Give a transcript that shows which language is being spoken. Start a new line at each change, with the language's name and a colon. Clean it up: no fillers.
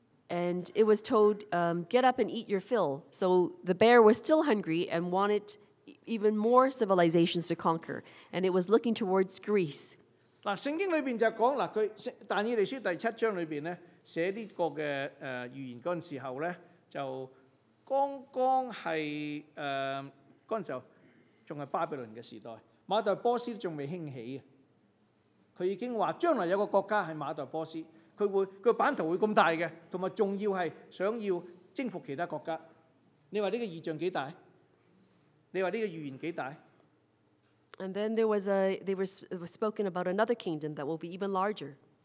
English: And it was told, get up and eat your fill. So the bear was still hungry and wanted even more civilizations to conquer. And it was looking towards Greece.
Chinese: 圣经里面就说,他《但以理书》第七章里面写这个预言的时候,就刚刚是,那时候还是巴比伦的时代,马代波斯还没兴起。他已经说将来有个国家是马代波斯。他版图会这么大的,还要是想要征服其他国家。你说这个意象多大?你说这个预言多大?
English: And then there was spoken about another kingdom that will be even larger.